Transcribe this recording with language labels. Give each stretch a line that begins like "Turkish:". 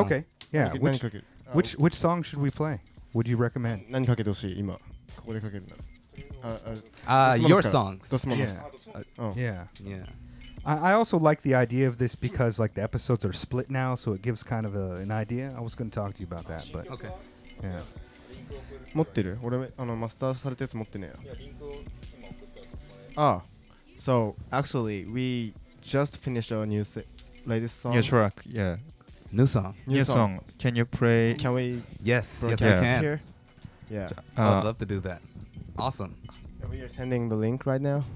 English: Okay. Yeah. Which song should we play? Would you recommend? Your songs. Yeah. I also like the idea of this because, like, the episodes are split now, so it gives kind of an idea. I was going to talk to you about that, but... Okay. Yeah.
Japanese: 持ってる? 俺、マスターされたやつ持ってねえよ。
English: Oh, so, actually, we just finished our latest song. New track, yeah. New song. New song. Can you play... Can we... Yes, I can. Here? Yeah. I'd love to do that. Awesome. We are sending the link right now.